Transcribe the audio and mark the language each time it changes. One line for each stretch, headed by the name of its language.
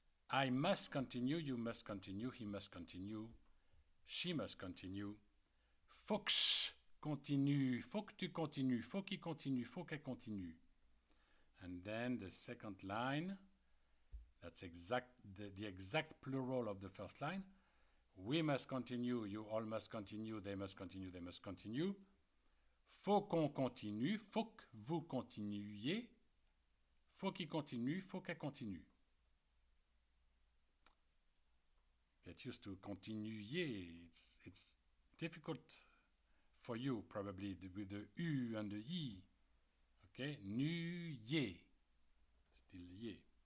English: I must continue, you must continue, he must continue, she must continue.
French: Faut que je continue, faut que tu continues, faut qu'il continue, faut qu'elle continue.
English: And then the second line, that's exact the exact plural of the first line. We must continue, you all must continue, they must continue, they must continue.
French: Faut qu'on continue, faut que vous continuiez, faut qu'il continue, faut qu'elle continue.
English: Get used to continuiez, it's difficult for you probably with the U and the I, okay, nuiez, still yé.